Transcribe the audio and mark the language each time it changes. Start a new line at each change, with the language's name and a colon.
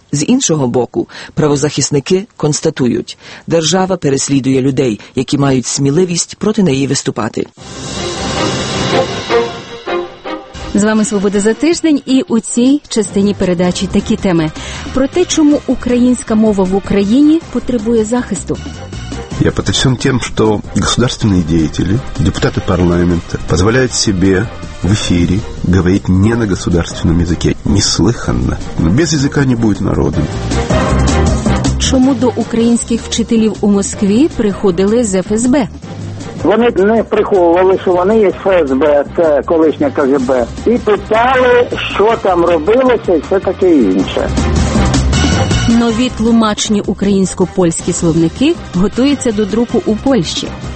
Ukrainian: З іншого боку, правозахисники констатують, держава переслідує людей, які мають сміливість проти неї виступати. З вами «Свобода за тиждень» і у цій частині передачі такі теми. Про те, чому українська мова в Україні потрібує захисту.
Russian: Я потрясен тем, что государственные деятели, депутаты парламента, позволяют себе в эфире говорить не на государственном языке. Неслыханно. Без языка не будет народа.
Ukrainian: Чому до українських вчителів у Москві приходили з ФСБ? Вони не приховували, що вони є ФСБ, це колишня КГБ, і питали, що там робилося, і все таке інше. Нові тлумачні українсько-польські словники готуються до друку у Польщі.